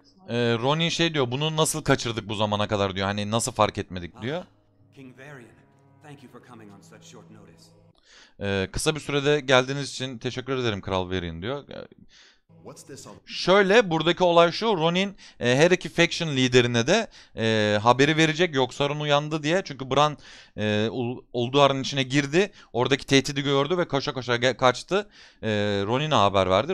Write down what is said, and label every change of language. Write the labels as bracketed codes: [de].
[tr] Ronin şey diyor, bunu nasıl kaçırdık bu zamana kadar diyor. Hani nasıl fark etmedik diyor. [en] King Varian, thank you for coming on such short notice. [tr] Kısa bir sürede geldiğiniz için teşekkür ederim Kral Varian diyor. Şöyle, buradaki olay şu. Ronin her iki faction liderine de haberi verecek. Yoksaron uyandı diye. Çünkü Bran Ulduar'ın içine girdi. Oradaki tehdidi gördü ve koşa koşa kaçtı. Ronin'e haber verdi.